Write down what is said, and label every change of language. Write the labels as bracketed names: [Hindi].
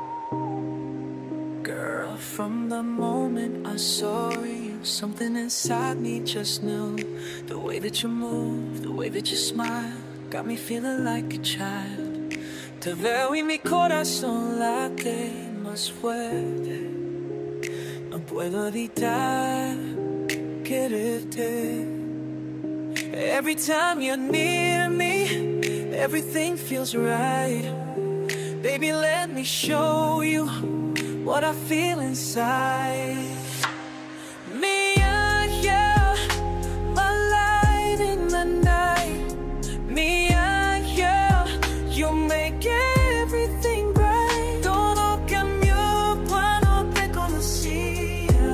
[English] from the moment I saw you, something inside me just knew. The way that you move, the way that you smile, got me feeling like a child. [Spanish] Te veo y mi corazón late más fuerte. No puedo evitar quererte. [English] Every time you're near me, everything feels right. Baby, let me show you what I feel inside. Me and you, my light in the night. Me and you, you make everything bright. [Spanish] Todo cambió cuando te conocí.